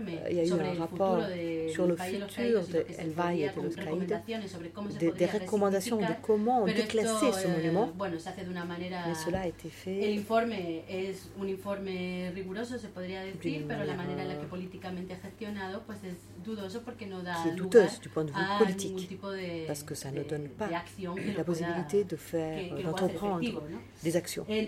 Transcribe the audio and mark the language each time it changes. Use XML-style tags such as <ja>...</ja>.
<fr>il y a eu un rapport sur le futur de El Valle de los Caídos, des recommandations de comment on déclassait ce monument.</fr> <es>Bueno, se hace de una manera,</es> <fr>mais cela a été fait.</fr> <es>El informe es un informe riguroso, se podría decir, pero la manera en la que políticamente ha gestionado, pues es dudoso porque no da lugar.</es> <fr>Du point de vue politique, parce que ça ne donne pas la possibilité de faire, d'entreprendre des actions.</fr>